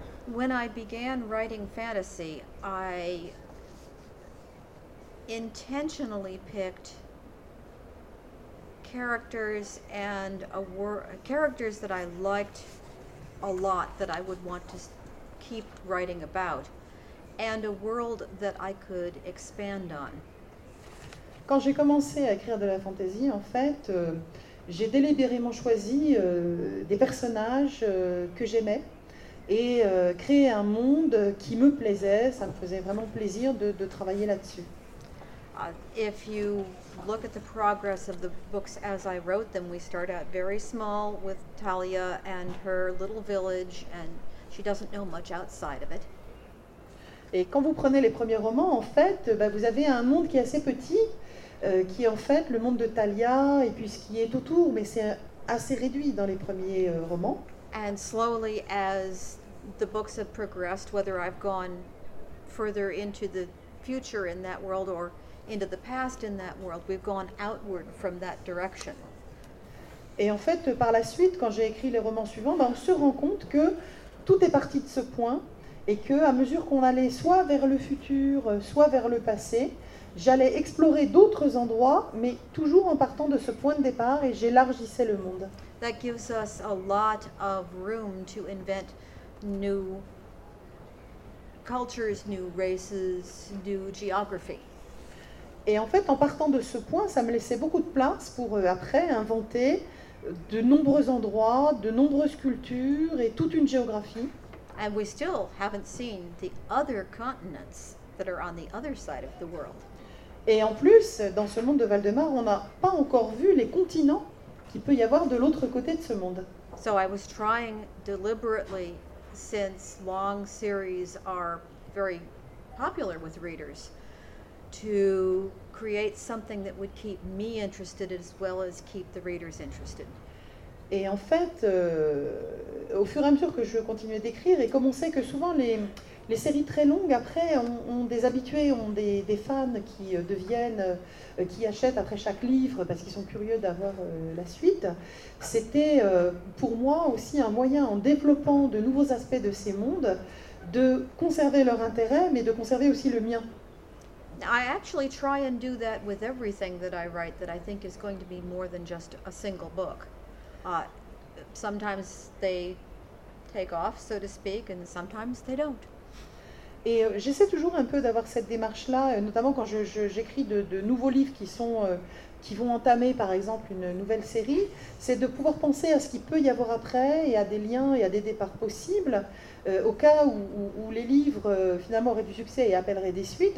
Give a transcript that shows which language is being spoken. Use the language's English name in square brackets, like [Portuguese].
[English] When I began writing fantasy, I intentionally picked characters and characters that I liked a lot that I would want to keep writing about, and a world that I could expand on. [French] Quand j'ai commencé à écrire de la fantasy, en fait, j'ai délibérément choisi des personnages que j'aimais et créé un monde qui me plaisait. Ça me faisait vraiment plaisir de travailler là-dessus. [English] If you look at the progress of the books as I wrote them, we start out very small with Talia and her little village, and she doesn't know much outside of it. [French] Et quand vous prenez les premiers romans, en fait, bah, vous avez un monde qui est assez petit, qui est en fait le monde de Talia et puis ce qui est autour, mais c'est assez réduit dans les premiers romans. [English] And slowly, as the books have progressed, whether I've gone further into the future in that world or into the past in that world, we've gone outward from that direction. [French] Et en fait, par la suite, quand j'ai écrit les romans suivants, ben on se rend compte que tout est parti de ce point, et que à mesure qu'on allait soit vers le futur, soit vers le passé, j'allais explorer d'autres endroits, mais toujours en partant de ce point de départ, et j'élargissais le monde. [English] That gives us a lot of room to invent new cultures, new races, new geography. [French] Et en fait, en partant de ce point, ça me laissait beaucoup de place pour après inventer de nombreux endroits, de nombreuses cultures et toute une géographie. [English] And we still haven't seen the other continents that are on the other side of the world. [French] Et en plus, dans ce monde de Valdemar, on n'a pas encore vu les continents qu'il peut y avoir de l'autre côté de ce monde. [English] So I was trying deliberately, since long series are very popular with readers, to create something that would keep me interested as well as keep the readers interested. [French] Et en fait, au fur et à mesure que je continuais d'écrire, et comme on sait que souvent les séries très longues après ont des habitués, ont des fans qui deviennent, qui achètent après chaque livre parce qu'ils sont curieux d'avoir la suite, c'était pour moi aussi un moyen, en développant de nouveaux aspects de ces mondes, de conserver leur intérêt, mais de conserver aussi le mien. [English] I actually try and do that with everything that I write that I think is going to be more than just a single book. Sometimes they take off, so to speak, and sometimes they don't. [French] Et j'essaie toujours un peu d'avoir cette démarche-là, notamment quand j'écris de nouveaux livres qui vont entamer, par exemple, une nouvelle série, c'est de pouvoir penser à ce qu'il peut y avoir après, et à des liens et à des départs possibles, au cas où les livres, finalement, auraient du succès et appelleraient des suites.